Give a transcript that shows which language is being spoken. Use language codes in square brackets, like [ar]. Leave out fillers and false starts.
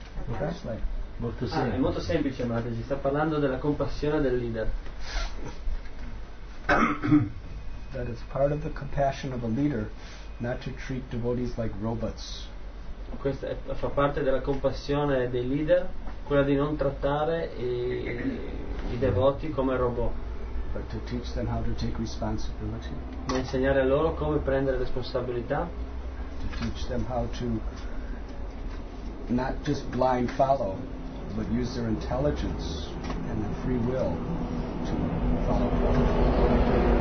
[en] Okay. [it] Molto semplice. È molto semplice, Mataji. Sta parlando della compassione del leader. [en] That is part of the compassion of a leader, not to treat devotees like robots. [it] Questa fa parte della compassione dei leader, quella di non trattare i devoti come robot. [en] But to teach them how to take responsibility. [it] Ma insegnare a loro come prendere responsabilità. [en] To teach them how to not just blind follow, but use their intelligence and their free will to follow.